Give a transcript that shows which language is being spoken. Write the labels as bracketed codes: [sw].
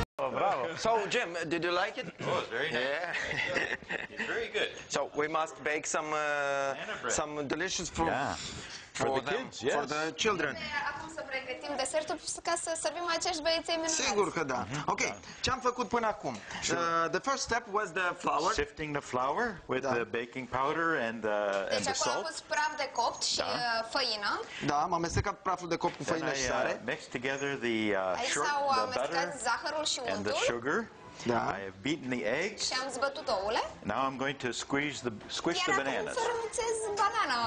[en] Bravo. So, Jim, did you like it? Oh, it was very nice. Yeah. It's very good. So, we must bake some delicious food for the kids, yes. For the children. [ro] Acum să pregătim desertul ca să servim acești băieți minunați. Sigur că da. Ok, ce am făcut până acum? [en] Sure. The first step was the flour. Sifting the flour with the baking powder and the salt. [ro] Deci acolo am pus praf de copt și făină. Da, am amestecat praful de copt cu făină și sare. [en] Mixed together the [ro] butter zahărul și untul. [en] And the sugar. [ro] Da. [en] I have beaten the eggs. [ro] Și am zbătut ouăle. [en] Now I'm going to squish the bananas. [ro] Iar acum să rămuțez banana.